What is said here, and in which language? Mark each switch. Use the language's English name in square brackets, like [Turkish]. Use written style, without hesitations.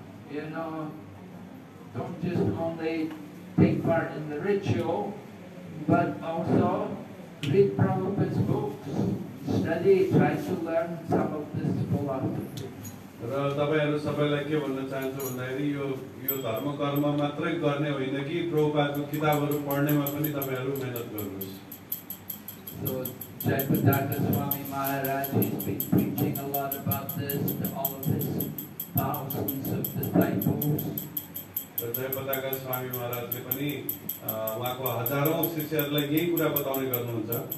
[English] You know, don't just only take part in the ritual, but also read Prabhupada's books, study, try to learn some of this philosophy. [Nepali] र तपाईँहरू सबैलाई के भन्न चाहन्छु भन्दाखेरि यो यो धर्म कर्म मात्रै गर्ने होइन कि प्रभुपादको किताबहरू पढ्नेमा पनि तपाईँहरू मेहनत गर्नुहोस् [English] So, Jayapadatta Swami Maharaj, he's been preaching a lot about this to all of his [Nepali] जयपताका स्वामी महाराजले पनि उहाँको हजारौँ शिष्यहरूलाई यही कुरा बताउने गर्नुहुन्छ